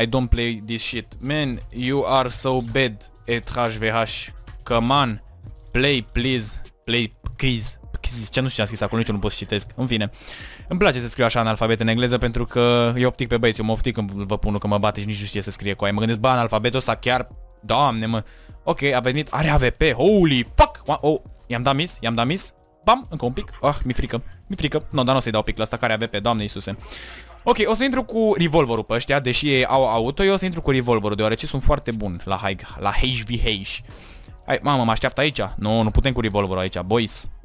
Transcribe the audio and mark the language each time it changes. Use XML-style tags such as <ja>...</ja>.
<en>I don't play this shit. Man, you are so bad at HVH. Come on, play please. Play please.</en> <ro>Ce nu știu ce am scris acolo, nici eu nu pot să citesc. În fine, îmi place să scriu așa în alfabet în engleză, pentru că eu optic pe băieți, eu mă oftic când vă pun că mă bate și nici nu știe să scrie cu aia. Mă gândesc, bă, în alfabetul ăsta chiar, Doamne, mă. Ok, a venit, are AVP, holy fuck. I-am dat miss. Bam, încă un pic, mi-e frică. Nu, dar nu o să-i dau pic la ăsta, care AVP, Doamne Iisuse. Ok, o să intru cu revolverul pe ăștia, deși ei au auto, eu o să intru cu revolverul, deoarece sunt foarte bun la high, la HVH. Hai, mamă, mă așteaptă aici? Nu putem cu revolverul aici, boys.</ro>